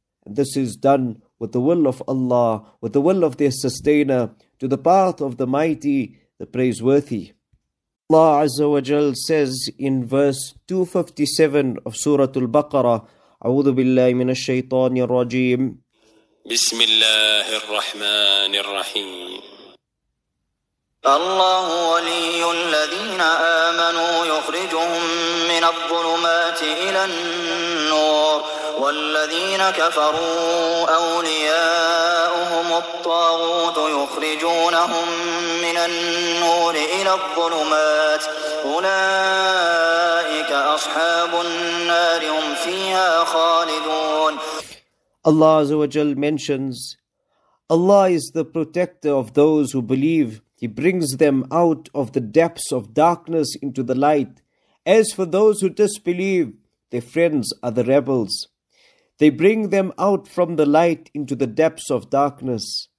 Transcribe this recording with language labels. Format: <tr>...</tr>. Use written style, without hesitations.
<en>this is done with the will of Allah, with the will of their sustainer, to the path of the mighty, the praiseworthy. Allah Azza wa Jal says in verse 257 of Surah Al-Baqarah,</en> <ar>أعوذ بالله من الشيطان الرجيم بسم الله الرحمن الرحيم الله ولي الذين آمنوا يخرجهم من الظلمات إلى النور والذين كفروا أولياؤهم الطاغوت يخرجونهم من النور إلى الظلمات أولئك أصحاب النار هم فيها خالدون.</ar> <en>Allah Azza wa Jal mentions, Allah is the protector of those who believe. He brings them out of the depths of darkness into the light. As for those who disbelieve, their friends are the rebels. They bring them out from the light into the depths of darkness.</en>